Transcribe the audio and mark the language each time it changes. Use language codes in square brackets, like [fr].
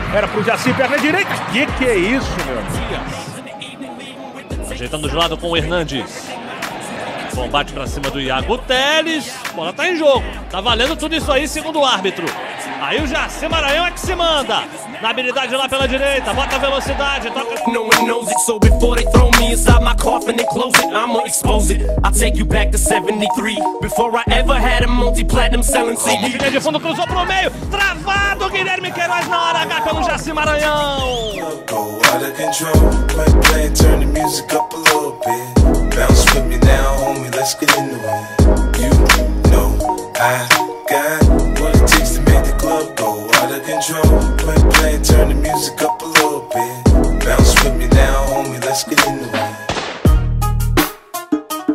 [pt] Era pro Jacy, perna direita. Que é isso, meu amigo? Ajeitando de lado com o Hernandes. Combate pra cima do Iago Teles. Bola tá em jogo, tá valendo tudo isso aí, segundo o árbitro. Aí o Jacy Maranhão é que se manda. Na habilidade lá pela direita, bota a velocidade, toca. [en] No one knows it, so before they throw me inside my coffin and close it, I'ma expose it. I'll take you back to 73. Before I ever had a multi-platinum selling CD. [pt] Fica de fundo, cruzou pro meio. Travado, Guilherme Queiroz na hora H pelo Jacy Maranhão. [en] Go out of control. Play, play, turn the music up a little bit. Bounce with me now, homie, let's get into it. You know I got what it takes to make the club go out of control. Play, play, turn the music up a little bit. Bounce with me now, homie, let's get into it.